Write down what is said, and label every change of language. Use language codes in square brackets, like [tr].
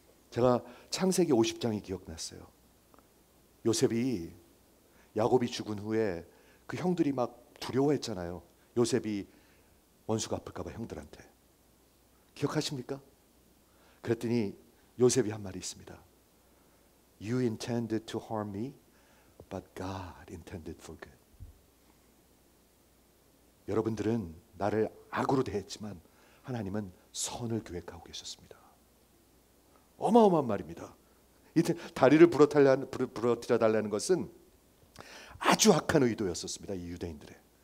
[ko] 제가 창세기 50장이 기억났어요. 요셉이 야곱이 죽은 후에 그 형들이 막 두려워했잖아요. 요셉이 원수 갚을까 봐 형들한테. 기억하십니까? 그랬더니 요셉이 한 말이 있습니다. [en] You intended to harm me, but God intended for good. [ko] 여러분들은 나를 악으로 대했지만 하나님은 선을 계획하고 계셨습니다. 어마어마한 말입니다. 이때 다리를 부러뜨려달라는 것은 아주 악한 의도였었습니다. 이 유대인들의.